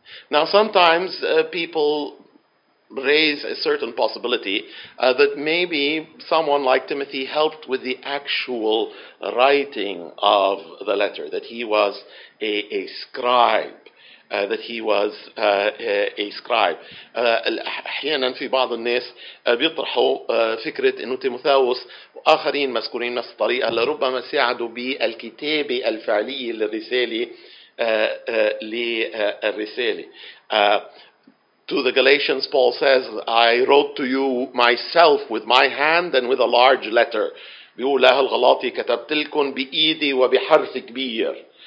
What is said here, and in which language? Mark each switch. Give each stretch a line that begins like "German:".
English: Now, sometimes people raise a certain possibility that maybe someone like Timothy helped with the actual writing of the letter, that he was a scribe, that he was a scribe.
Arabic: أحيانا في بعض الناس بيطرحوا فكرة إنه تيموثاوس وآخرين مذكورين نفس الطريقة لربما ساعدوا بالكتابة الفعلية للرسالة للرسالة.
English: To the Galatians, Paul says, I wrote to you myself with my hand and with a large letter.
Arabic: بيقول له الغلاطي كتبت لكم بإيدي وبحرف كبير.